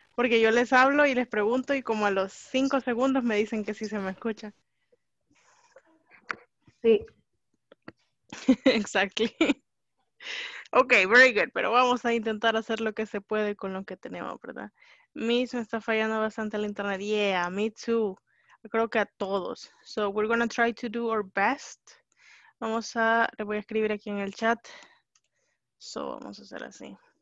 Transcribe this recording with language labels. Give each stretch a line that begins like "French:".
Spanish: Porque yo les hablo y les pregunto y como a los 5 segundos me dicen que sí se me escucha. Sí.
English: Exactly. Okay, very good.
Spanish: Pero vamos a intentar hacer lo que se puede con lo que tenemos, ¿verdad? Miss, me está fallando bastante el internet.
English: Yeah, me too.
Spanish: Creo que a todos.
English: So we're gonna try to do our best.
Spanish: Vamos a, le voy a escribir aquí en el chat. So vamos a hacer así.